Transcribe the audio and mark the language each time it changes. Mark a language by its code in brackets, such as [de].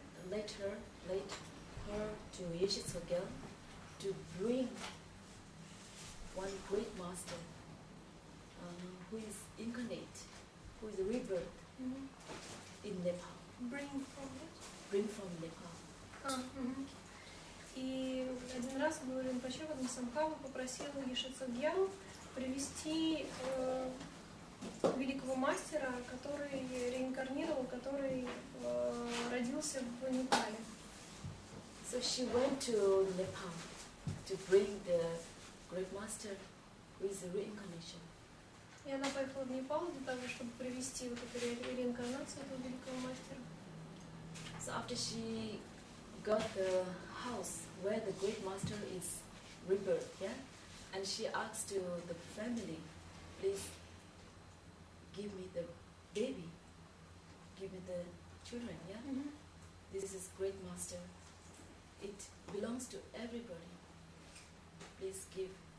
[en] Later, her to Heishi Sogyal to bring one great master who is incarnate, who is rebirth in Nepal. Bring from Nepal. [ru] И один раз Гурин Пащападам Самхава попросил Heishi Sogyal привести великого мастера, который реинкарнировал, который родился в Непале. [en] So she went to Nepal to bring the great master with reincarnation. [ru] И она поехала в Непал для того, чтобы привести вот эту реинкарнацию этого великого мастера. [en] So after she got the house where the great master is rebirth, and she asked to the family, please. Give me the baby, give me the children, This is great master. It belongs to everybody. Please give